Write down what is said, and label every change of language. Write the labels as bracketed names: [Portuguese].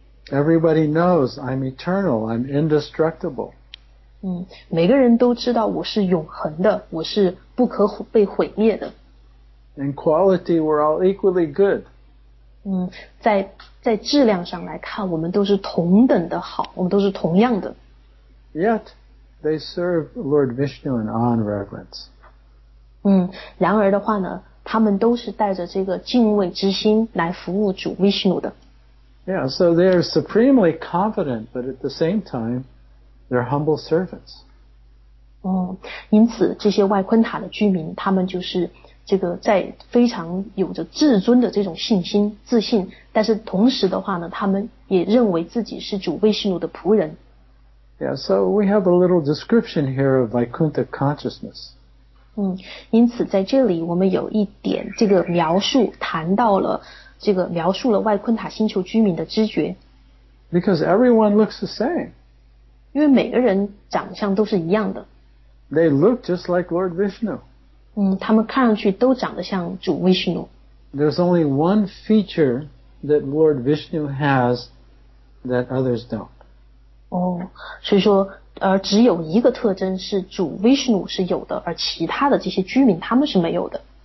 [English] Everybody knows I'm eternal, I'm indestructible. [Chinese] 嗯，每个人都知道我是永恒的，我是不可被毁灭的。 [English] In quality, we're all equally good. [Chinese] 嗯，在质量上来看，我们都是同等的好，我们都是同样的。 [English] Yet, they serve Lord Vishnu in awe and reverence. [Chinese] 嗯，然而的话呢，他们都是带着这个敬畏之心来服务主 Vishnu 的。 [English] Yeah, so they're supremely confident, but at the same time, they're humble servants. [Chinese] 嗯，因此这些外昆塔的居民，他们就是这个在非常有着至尊的这种信心、自信，但是同时的话呢，他们也认为自己是主维士努的仆人。 [English] Yeah, so we have a little description here of Vaikuntha consciousness. [Chinese] 因此在这里我们有一点这个描述谈到了这个描述了外昆塔星球居民的知觉。 [English] Because everyone looks the same. [Chinese] 因为每个人长相都是一样的。 [English] They look just like Lord Vishnu. [Chinese] 他们看上去都长得像主 Vishnu. [English] There's only one feature that Lord Vishnu has that others don't. [Chinese] 所以说只有一个特征是主 Vishnu 是有的，而其他的这些居民他们是没有的。